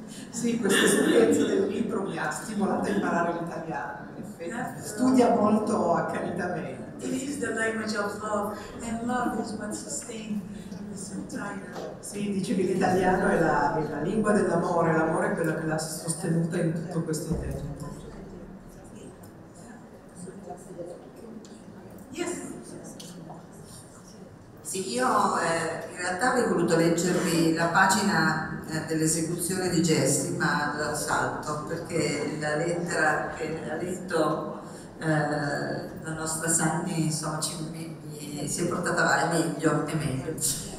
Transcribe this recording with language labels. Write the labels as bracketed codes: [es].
[it] Sì, questa esperienza del libro mi ha stimolato a imparare l'italiano, in effetti. Studia molto accanitamente. [en] It is the language of love, and love is what sustains this entire. [it] Sì, dice che l'italiano è la lingua dell'amore, l'amore è quella che l'ha sostenuta in tutto questo tempo. [en] Yes. [it] Sì, io in realtà avrei voluto leggervi la pagina dell'esecuzione di Jesse, ma lo salto perché la lettera che ha letto la nostra Sandy, insomma, si è portata avanti meglio e meglio.